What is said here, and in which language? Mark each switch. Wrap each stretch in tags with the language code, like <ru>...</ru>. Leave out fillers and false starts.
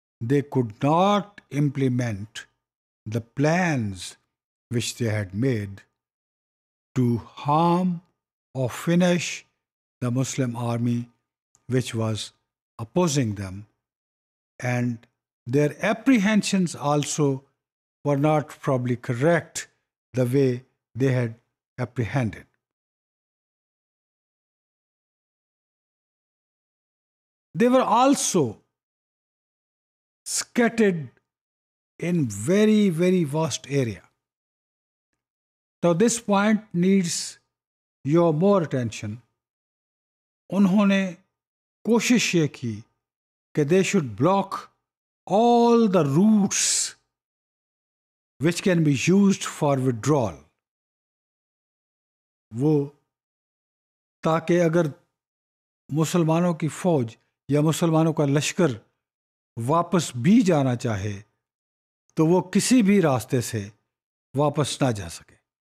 <en>They could not implement the plans which they had made to harm اور finish the Muslim army which was opposing them, and their apprehensions also were not probably correct the way they had apprehended. They were also scattered in very very vast area. So this point needs your more attention.</en> <ur>Unhone koshish ye ki ke</ur> <en>they should block all the routes which can be used for withdrawal.</en> <ur>وہ تاکہ اگر مسلمانوں کی فوج یا مسلمانوں کا لشکر واپس بھی جانا چاہے تو وہ کسی بھی راستے سے واپس نہ جا سکے۔</ur>